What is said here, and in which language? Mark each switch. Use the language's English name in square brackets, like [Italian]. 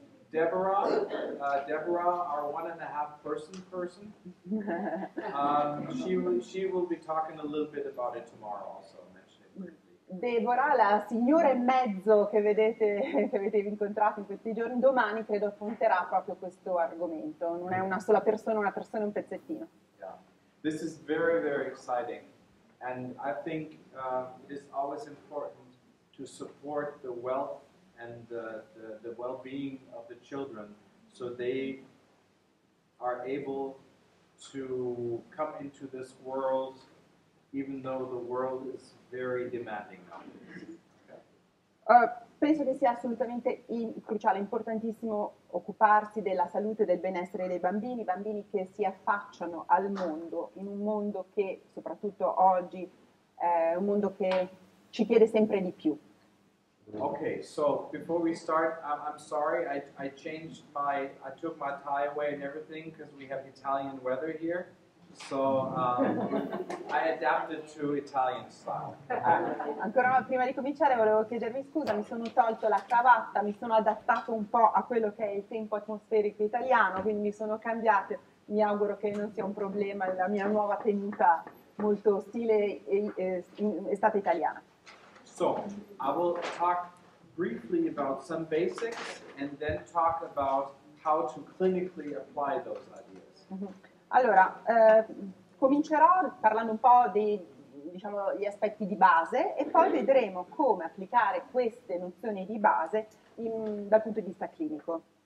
[English] Deborah, our 1.5 person person, she will be talking a little bit about it tomorrow also. [Italian] Deborah, la signora e mezzo che avete incontrato in questi giorni, domani credo affronterà proprio questo argomento. Non è una sola persona, una persona è un pezzettino. [English] This is very, very exciting, and I think it is always important to support the wealth and the well-being of the children so they are able to come into this world even though the world is very demanding of them. [Italian] Penso che sia assolutamente cruciale, importantissimo occuparsi della salute e del benessere dei bambini, bambini che si affacciano al mondo, in un mondo che soprattutto oggi è un mondo che ci chiede sempre di più. [English] Okay, so before we start, I'm sorry, I took my tie away and everything because we have Italian weather here. So I adapted to Italian style. [Italian] Ancora prima di cominciare volevo chiedervi scusa, mi sono tolto la cravatta, mi sono adattato un po' a quello che è il tempo atmosferico italiano, quindi mi sono cambiato, mi auguro che non sia un problema la mia nuova tenuta molto stile estate italiana. [English] So I will talk briefly about some basics and then talk about how to clinically apply those ideas. [Italian] Allora, comincerò parlando un po' di diciamo gli aspetti di base e poi vedremo come applicare queste nozioni di base dal punto di vista clinico.